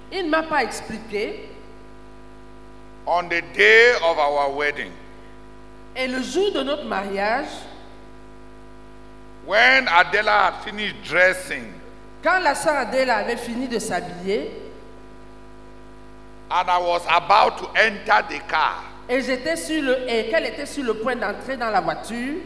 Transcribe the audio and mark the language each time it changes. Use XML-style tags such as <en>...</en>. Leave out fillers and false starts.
<fr>Il ne m'a pas expliqué.</fr> <en>On the day of our wedding,</en> <fr>et le jour de notre mariage,</fr> <en>when Adela had finished dressing,</en> <fr>quand la sœur Adela avait fini de s'habiller,</fr> <en>and I was about to enter the car,</en> <fr>et j'étais sur le, et qu'elle était sur le point d'entrer dans la voiture,</fr>